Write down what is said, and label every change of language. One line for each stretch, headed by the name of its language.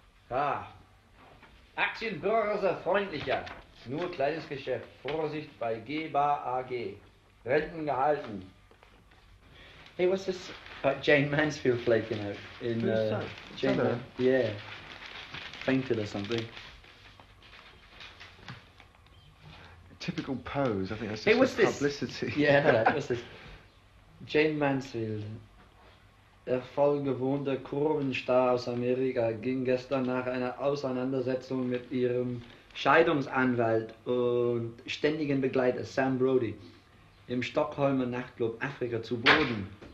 German: Ah, Aktienbörse-freundlicher, nur kleines Geschäft, Vorsicht bei GEBA AG, Renten gehalten.
English: Hey, what's this about Jane Mansfield flaking out in, yeah, fainted or something. A typical pose, I think that's just publicity. Yeah, what's this, Jane Mansfield,
German: Der vollgewohnte Kurvenstar aus Amerika ging gestern nach einer Auseinandersetzung mit ihrem Scheidungsanwalt und ständigen Begleiter Sam Brody im Stockholmer Nachtclub Afrika zu Boden.